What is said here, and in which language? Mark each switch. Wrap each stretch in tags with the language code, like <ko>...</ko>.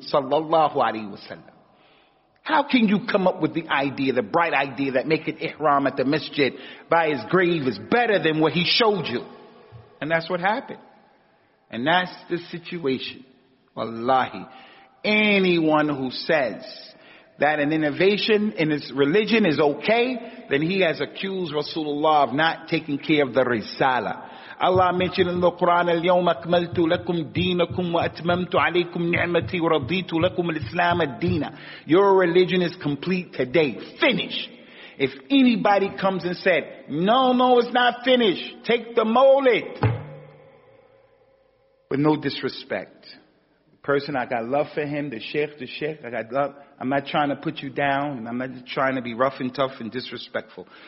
<en>Sallallahu alayhi wa sallam. How can you come up with the idea, the bright idea that making ihram at the masjid by his grave is better than what he showed you? And that's what happened. And that's the situation. Wallahi. Anyone who says that an innovation in his religion is okay, then he has accused Rasulullah of not taking care of the risala. Allah mentioned in the Quran,</en> <ar>اليوم أكملت لكم دينكم وأتممت عليكم نعمتي ورضيت لكم الإسلام الدين.</ar> <en>Your religion is complete today. Finish. If anybody comes and said, no, it's not finished. Take the molid. With no disrespect. Person, I got love for him, the sheikh, I got love. I'm not trying to put you down, and I'm not trying to be rough and tough and disrespectful.</en>